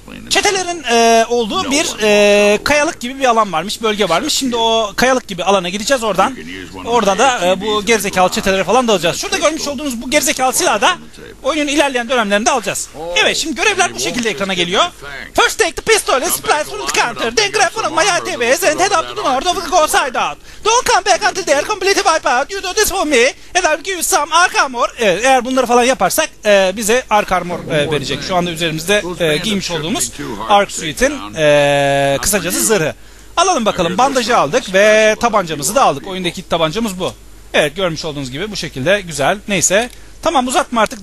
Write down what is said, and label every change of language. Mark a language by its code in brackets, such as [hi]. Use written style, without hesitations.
[tr] Çetelerin olduğu bir kayalık gibi bir alan varmış, bölge varmış. Şimdi o kayalık gibi alana gideceğiz oradan. Orada da bu gerizekalı çetelere falan da alacağız. Şurada görmüş olduğunuz bu gerizekalı silahı da oyunun ilerleyen dönemlerinde alacağız. Evet, şimdi görevler bu şekilde ekrana geliyor. [en] First take the pistol and splice from the counter. Then grab one of my ATVs and head up to the north of the go side out. Don't come back until they are completely wiped out. You do this for me and I'll give you some arc armor. [tr] Eğer bunları falan yaparsak bize arc armor verecek. Şu anda üzerimizde giymiş olduğumuz Arc Suite'in kısacası zırhı. Alalım bakalım. Bandajı aldık ve tabancamızı da aldık. Oyundaki tabancamız bu. Evet, görmüş olduğunuz gibi bu şekilde. Güzel. Neyse. Tamam, uzatma artık.